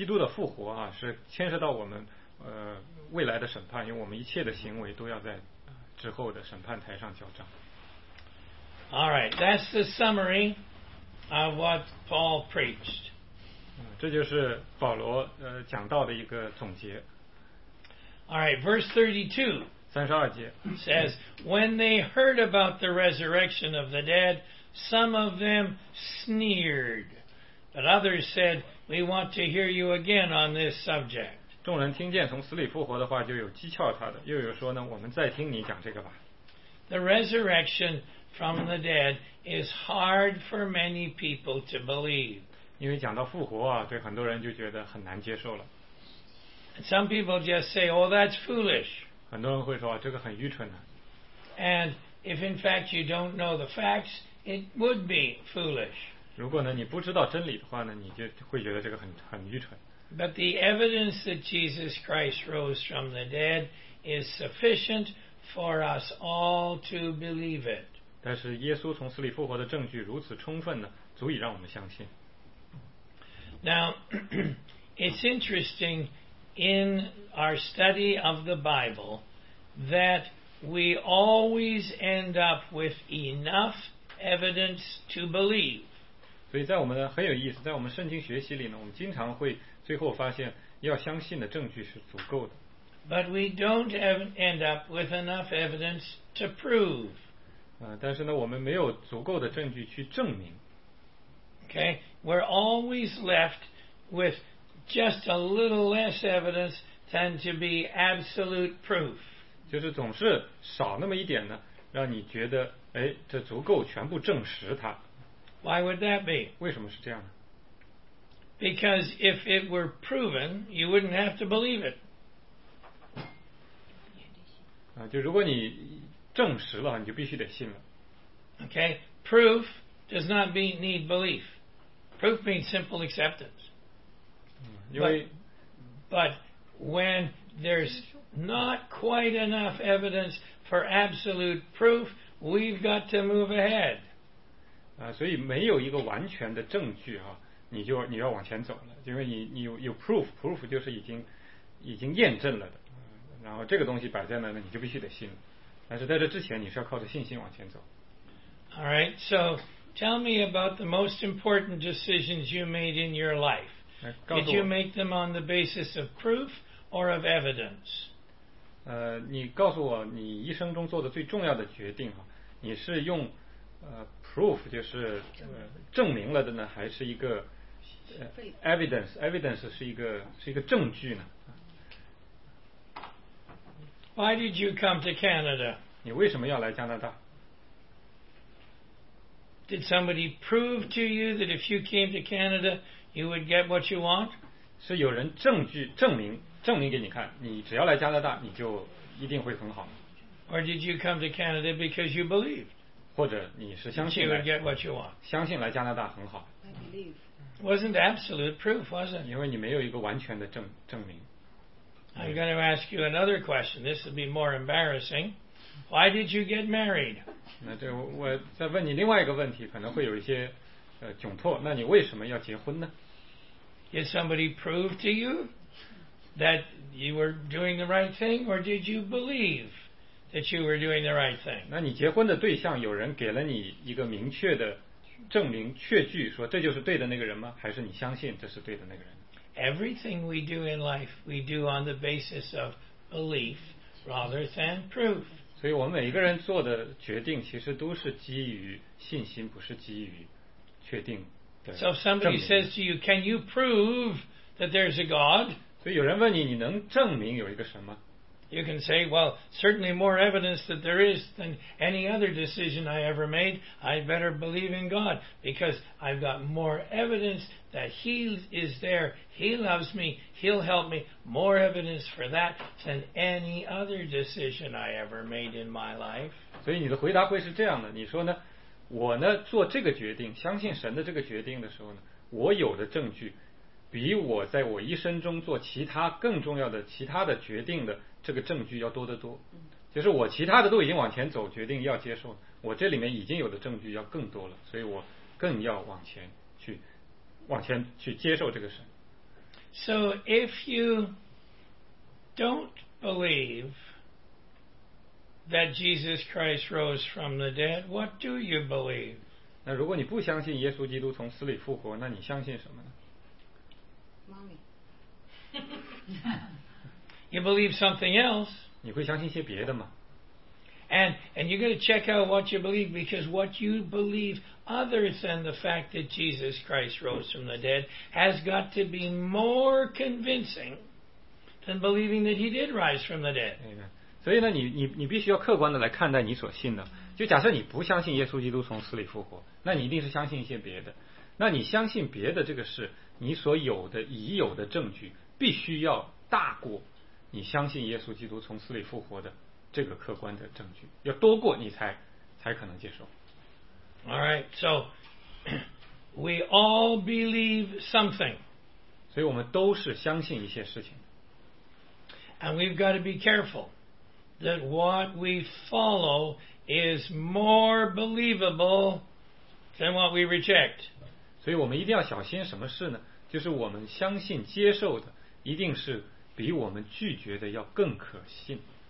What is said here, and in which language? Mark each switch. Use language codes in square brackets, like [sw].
[zh] 因为基督的复活是牵涉到我们。未来的审判，因为我们一切的行为都要在之后的审判台上交账。 [en] Alright, that's the summary of what Paul preached. [zh] 这就是保罗讲到的一个总结。 [en] Alright, verse 32 says, When they heard about the resurrection of the dead, some of them sneered. But others said, We want to hear you again on this subject. [zh] 众人听见从死里复活的话，就有讥诮他的，又有说呢，我们再听你讲这个吧。 [en] the resurrection from the dead is hard for many people to believe. [zh] 因为讲到复活啊，对很多人就觉得很难接受了。 [en] Some people just say, "Oh, that's foolish." [zh] 很多人会说这个很愚蠢的。 [en] And if in fact you don't know the facts, it would be foolish. [zh] 如果呢你不知道真理的话呢，你就会觉得这个很愚蠢。 [en] But the evidence that Jesus Christ rose from the dead is sufficient for us all to believe it. [zh] 但是耶稣从死里复活的证据如此充分呢，足以让我们相信。 [en] Now, it's interesting in our study of the Bible that we always end up with enough evidence to believe. [zh] 所以在我们呢，很有意思，在我们圣经学习里呢，我们经常会最后发现要相信的证据是足够的。 [en] But we don't end up with enough evidence to prove. [zh] 但是呢，我们没有足够的证据去证明。 [en] Okay, we're always left with just a little less evidence than to be absolute proof. [zh] 就是总是少那么一点呢，让你觉得，哎，这足够全部证实它。 [en] Why would that be? [zh] 为什么是这样呢？ [en] Because if it were proven, you wouldn't have to believe it. [zh] 就如果你证实了，你就必须得信了。 [en] Okay, proof does not need belief. Proof means simple acceptance. But when there's not quite enough evidence for absolute proof, we've got to move ahead. [zh] 所以没有一个完全的证据啊，你要往前走了，因为你有 proof 就是已经验证了的，然后这个东西摆在那，你就必须得信了。但是在这之前，你是要靠着信心往前走。 [en] All right, so. Tell me about the most important decisions you made in your life. Did you make them on the basis of proof or of evidence? [zh] 你告诉我你一生中做的最重要的决定啊，你是用proof 就是证明了的呢，还是一个evidence 是一个证据呢？ [en] Why did you come to Canada? [zh] 你为什么要来加拿大？ [en] Did somebody prove to you that if you came to Canada, you would get what you want? [zh] 是有人证明给你看，你只要来加拿大，你就一定会很好。 [en] Or did you come to Canada because you believed? [zh] 或者你是相信 [en] you would get what you want? [zh] 相信来加拿大很好。 [en] I believe. Wasn't absolute proof, was it? [zh] 因为你没有一个完全的证明。 [en] I'm going to ask you another question. This would be more embarrassing. Why did you get married? [zh] 那这我再问你另外一个问题，可能会有一些窘迫。那你为什么要结婚呢？ [en] Did somebody prove to you that you were doing the right thing, or did you believe that you were doing the right thing? [zh] 那你结婚的对象有人给了你一个明确的证明确据，说这就是对的那个人吗？还是你相信这是对的那个人？ [en] Everything we do in life, we do on the basis of belief rather than proof. [zh] 所以我们每一个人做的决定其实都是基于信心，不是基于确定的证明。 [en] So somebody says to you, can you prove that there's a God? [zh] 所以有人问你，你能证明有一个神吗？ [en] You can say, well, certainly more evidence that there is than any other decision I ever made. I better believe in God because I've got more evidence that He is there. He loves me. He'll help me. More evidence for that than any other decision I ever made in my life. [zh] 所以你的回答会是这样的，你说呢，我呢做这个决定，相信神的这个决定的时候呢，我有的证据比我在我一生中做其他更重要的其他的决定的这个证据要多得多，就是我其他的都已经往前走，决定要接受，我这里面已经有的证据要更多了，所以我更要往前去接受这个神。 [en] So if you don't believe that Jesus Christ rose from the dead, what do you believe? [zh] 那如果你不相信耶稣基督从死里复活，那你相信什么呢？ [en] You believe something else. [zh] 你会相信些别的吗？ [en] And you're going to check out what you believe, because what you believe other than the fact that Jesus Christ rose from the dead has got to be more convincing than believing that he did rise from the dead. [zh] 所以呢，你必须要客观的来看待你所信的。就假设你不相信耶稣基督从死里复活，那你一定是相信一些别的。那你相信别的这个事，你所有的已有的证据必须要大过你相信耶稣基督从死里复活的这个客观的证据，要多过你才可能接受。 [en] All right, so we all believe something. [zh] 所以我们都是相信一些事情。 [en] And we've got to be careful that what we follow is more believable than what we reject. [zh] 所以我们一定要小心什么事呢？就是我们相信接受的一定是比我们拒绝的要更可信。